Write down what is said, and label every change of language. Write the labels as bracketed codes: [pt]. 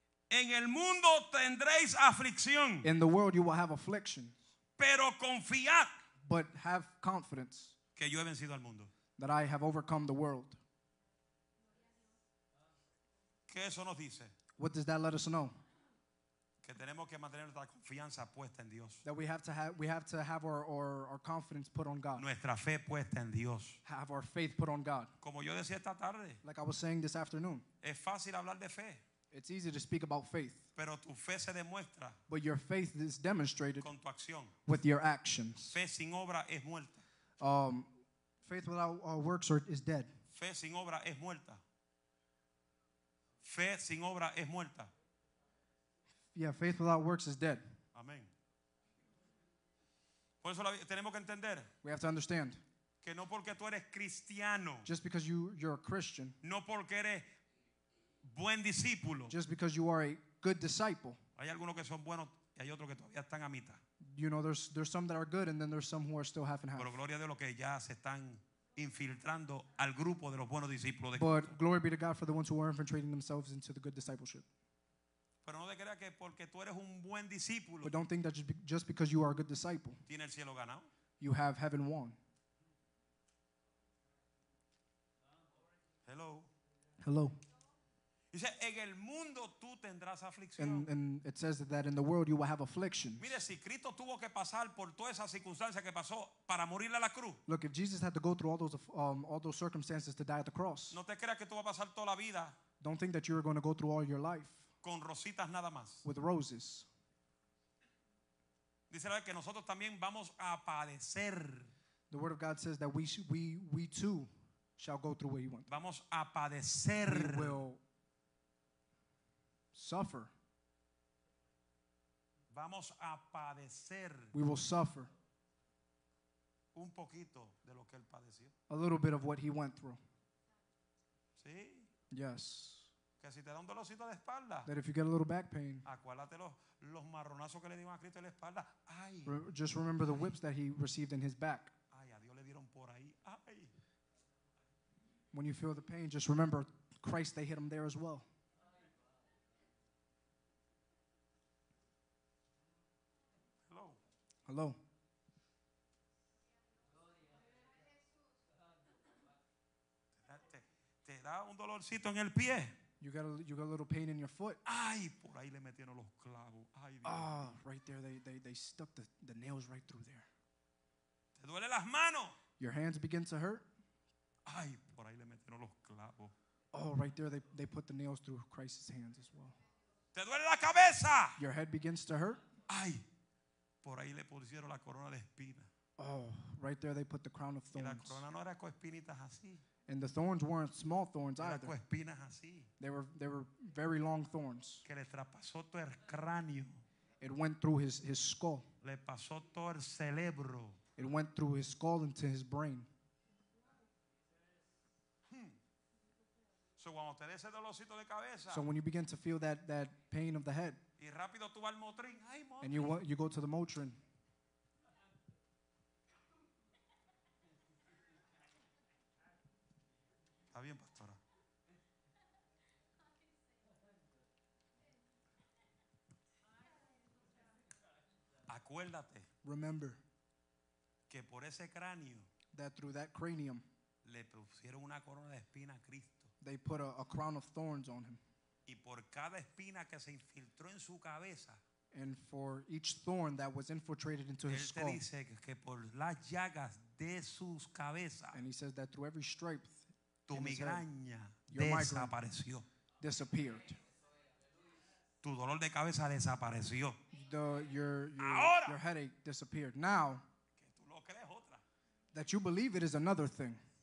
[es] En el mundo tendréis aflicción. [en] In the world you will have afflictions. [es] Pero confiad. [en] But have confidence. [es] Que yo he vencido al mundo. [en] That I have overcome the world. [es] ¿Qué eso nos dice? [en] What does that let us know? [es] Que tenemos que mantener nuestra confianza puesta en Dios. [en] That we have to have our confidence put on God. [es] Nuestra fe puesta en Dios. [en] Have our faith put on God. [es] Como yo decía esta tarde. [en] Like I was saying this afternoon. [es] Es fácil hablar de fe. [en] It's easy to speak about faith. [es] Pero tu fe se demuestra. [en] But your faith is demonstrated [es] con tu acción. [en] With your actions. [es] Fe sin obra es muerta. [en] Faith without works is dead. [es] Fe sin obra es muerta. Fe sin obra es muerta. [en] Yeah, faith without works is dead. Amen. [es] Por eso tenemos que entender. [en] We have to understand. [es] Que no porque tú eres cristiano. [en] Just because you're a Christian. [es] No porque eres buen discípulo. [en] Just because you are a good disciple. [es] Hay algunos que son buenos y hay otros que todavía están a mitad. [en] You know, there's some that are good and then there's some who are still half and half. [es] Pero gloria de los que ya se están infiltrando al grupo de los buenos discípulos. [en] But glory be to God for the ones who are infiltrating themselves into the good discipleship. [es] Pero no te creas que porque tú eres un buen discípulo. [en] But don't think that just because you are a good disciple. [es] Tiene el cielo ganado. [en] You have heaven won. Hello. Hello. [es] Dice, en el mundo tú tendrás aflicción. [en] And it says that in the world you will have afflictions. [es] Mire, si Cristo tuvo que pasar por todas esas circunstancias que pasó para morir a la cruz. [en] Look, if Jesus had to go through all those circumstances to die at the cross. [es] No te creas que tú vas a pasar toda la vida. [en] Don't think that you are going to go through all your life. [es] Con rositas nada más. [en] With roses. [es] Dice la que nosotros también vamos a padecer. [en] The word of God says that we too shall go through what he went. [es] Vamos a padecer. [en] We will suffer. [es] Vamos a padecer. [en] We will suffer. [es] Un poquito de lo que él padeció. [en] A little bit of what he went through. [es] ¿Sí? [en] Yes. [es] Que si te da un dolorcito de espalda. [en] That if you get a little back pain. [es] Acuérdate los marronazos que le dieron a Cristo en la espalda. Ay. [en] Just remember the whips that he received in his back. [es] Ay, a Dios le dieron por ahí. Ay. [en] When you feel the pain, just remember Christ, they hit him there as well. Hello. [es] Te da un dolorcito en el pie. [en] You got a little pain in your foot. [es] Ay, por ahí le metieron los clavos. Ay, [en] ah, right there they stuck the nails right through there. [es] Te duele las manos. [en] Your hands begin to hurt. [es] Ay, por ahí le metieron los clavos. [en] Oh, right there they put the nails through Christ's hands as well. [es] Te duele la cabeza. [en] Your head begins to hurt. Ay. [es] Por ahí le pusieron la corona de espinas. [en] Oh, right there they put the crown of thorns. [es] Y la corona no era con espinitas así. [en] And the thorns weren't small thorns either. [es] Era con espinas así. [en] They were very long thorns. [es] Que le traspasó todo el cráneo. [en] It went through his skull. [es] Le pasó todo el cerebro. [en] It went through his skull into his brain. [es] So cuando te des ese dolorcito de cabeza. [en] So when you begin to feel that pain of the head. [es] Y rápido tú vas al Motrin. [en] And you go to the Motrin. [es] Está bien, pastora. Acuérdate. [en] Remember. [es] Que por ese cráneo. [en] That through that cranium. [es] Le pusieron una corona de espina a Cristo. [en] They put a crown of thorns on him. [es] Y por cada espina que se infiltró en su cabeza, [en] and for each thorn that was infiltrated into [es] él [en] his skull. [es] Dice que por las llagas de sus cabezas, [en] and he says that through every stripe, [es] tu migraña desapareció. [en] Disappeared. [es] Tu dolor de cabeza desapareció. [en] Your headache disappeared. Now, [es] que tú lo crees otra. That you believe it is another thing.